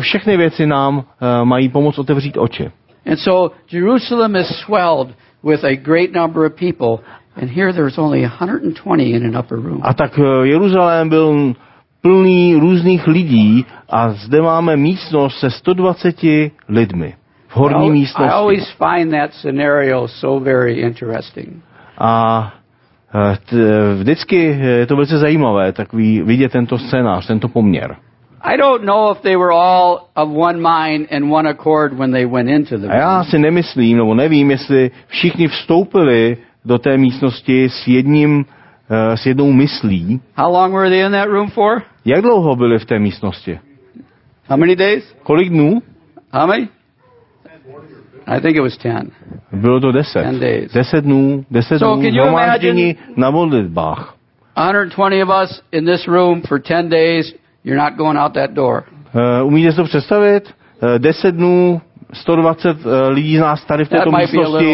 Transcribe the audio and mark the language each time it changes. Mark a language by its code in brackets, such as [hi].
[cs] všechny věci nám mají pomoct otevřít oči. [en] And so Jerusalem is swelled with a great number of people, and here there's only 120 in an upper room. [cs] A tak Jeruzalém byl plný různých lidí a zde máme místnost se 120 lidmi v horní místnosti. [en] I always find that scenario so very interesting. [cs] A vždycky je to velice zajímavé takový vidět tento scénář, tento poměr. [en] I don't know if they were all of one mind and one accord when they went into the room. [cs] A já si nemyslím, nebo nevím, jestli všichni vstoupili do té místnosti s jednou myslí. [en] How long were they in that room for? [cs] Jak dlouho byli v té místnosti? [en] How many days? [cs] Kolik dnů? [en] How many? I think it was 10. [cs] Bylo to 10. 10 [en] days. [cs] 10 dnů, 10 [en] so [cs] dnů. [en] Can you imagine [cs] na modlitbách? [en] 120 of us in this room for 10 days, you're not going out that door. [cs] Umíte si to představit? 10 dnů, 120 lidí z nás tady v této místnosti,